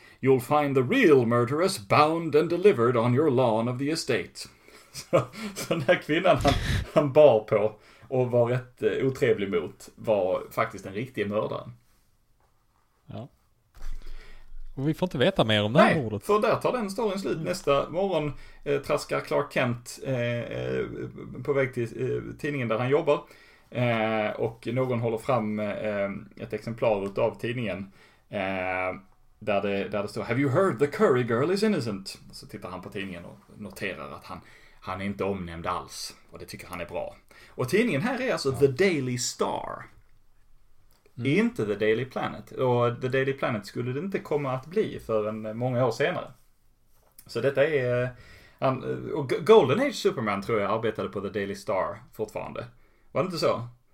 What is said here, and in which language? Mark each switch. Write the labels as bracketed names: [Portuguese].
[English] You'll find the real murderers bound and delivered on your lawn of the estate. [Swedish] Så den här kvinnan han bar på och var rätt otrevlig mot var faktiskt den riktiga mördaren. Ja. Och vi får inte veta mer om det här mordet. Nej, för där tar den storyn slut. Nästa morgon traskar Clark Kent på väg till tidningen där han jobbar. Och någon håller fram ett exemplar av tidningen. Där det står, [English] have you heard the Curry girl is innocent? [Swedish] Så tittar han på tidningen och noterar att han är inte omnämnd alls. Och det tycker han är bra. Och tidningen här är alltså The Daily Star. Mm. Inte The Daily Planet. Och The Daily Planet skulle det inte komma att bli förrän många år senare. Så detta är... Och Golden Age Superman tror jag arbetade på The Daily Star fortfarande. Var det inte så?